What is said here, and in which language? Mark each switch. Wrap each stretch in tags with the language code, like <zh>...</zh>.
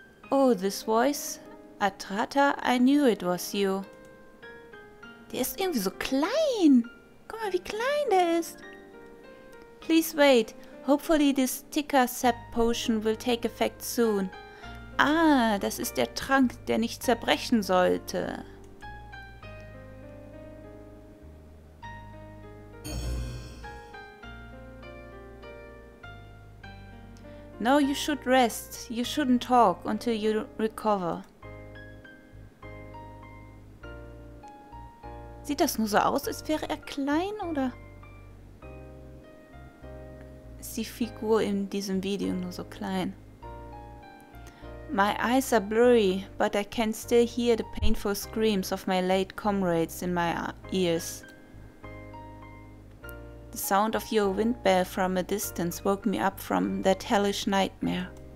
<en>Oh, this voice. Atrata, I knew it was you.</en> <de>Der ist irgendwie so klein. Guck mal, wie klein der ist.</de> <en>Please wait. Hopefully this ticker sap potion will take effect soon.</en> <de>Ah, das ist der Trank, der nicht zerbrechen sollte.</de> <en>No, you should rest. You shouldn't talk until you recover.</en> <de>Sieht das nur so aus, als wäre er klein, oder? Ist die Figur in diesem Video nur so klein?</de> <en>My eyes are blurry, but I can still hear the painful screams of my late comrades in my ears. The sound of your wind bell from a distance woke me up from that hellish nightmare.</en>